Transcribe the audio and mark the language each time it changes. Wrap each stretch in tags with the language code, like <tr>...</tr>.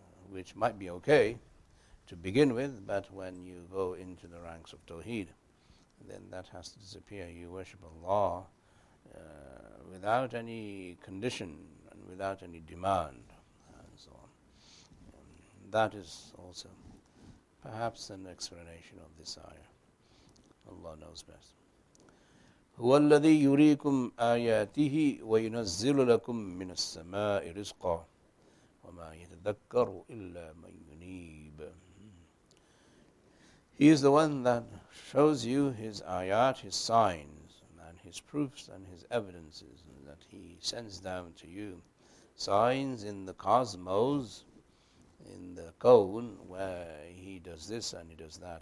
<en>Which might be okay to begin with, but when you go into the ranks of Tawheed, then that has to disappear. You worship Allah without any condition and without any demand, and so on. That is also perhaps an explanation of this ayah. Allah knows best.</en> <ar>هو الذي يريكم آياته وينزل لكم من السماء رزقا وما يتذكر إلا من ينيب.</ar> <en>He is the one that shows you His ayat, His signs, and His proofs and His evidences, and that He sends down to you signs in the cosmos, in the kaun, where He does this and He does that.</en>